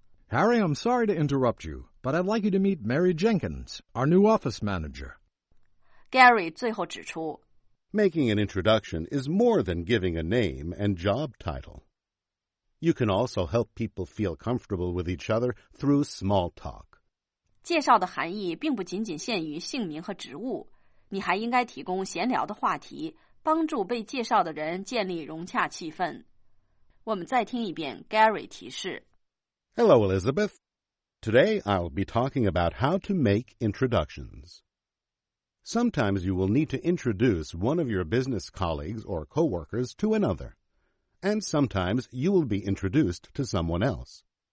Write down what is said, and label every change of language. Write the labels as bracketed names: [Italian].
[English] Harry, I'm sorry to interrupt you, but I'd like you to meet Mary Jenkins, our new office manager. [Chinese] Gary 最后指出 [English] Making an introduction is more than giving a name and job title. You can also help people feel comfortable with each other through small talk. [Chinese] 介绍的含义并不仅仅限于姓名和职务，你还应该提供闲聊的话题，帮助被介绍的人建立融洽气氛。我们再听一遍 Gary 提示。 [English] Hello, Elizabeth. Today I'll be talking about how to make introductions. Sometimes you will need to introduce one of your business colleagues or co-workers to another. And sometimes you will be introduced to someone else.